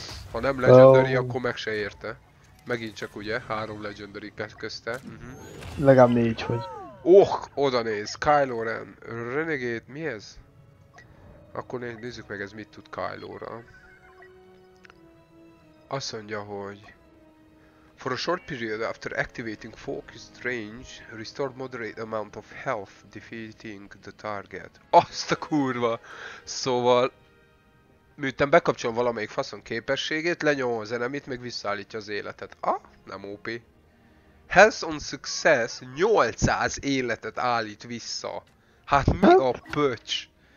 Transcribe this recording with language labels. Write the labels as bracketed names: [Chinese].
[Hungarian] Ha nem legendary, akkor meg se érte. Megint csak ugye, három legendary közte. Legalább négy, hogy. Oh, oda néz, Kylo Ren. Renegade, mi ez? Akkor nézzük meg, ez mit tud Kylo-ra. Azt mondja, hogy... [English] For a short period after activating focused range, restore moderate amount of health defeating the target. [Hungarian] Azt a kurva! Szóval... Miután bekapcsol valamelyik faszon képességét, lenyom az enemit, meg visszaállítja az életet. Ah, nem OP. [English] Health on success [Hungarian] 800 életet állít vissza. Hát mi a pöcs?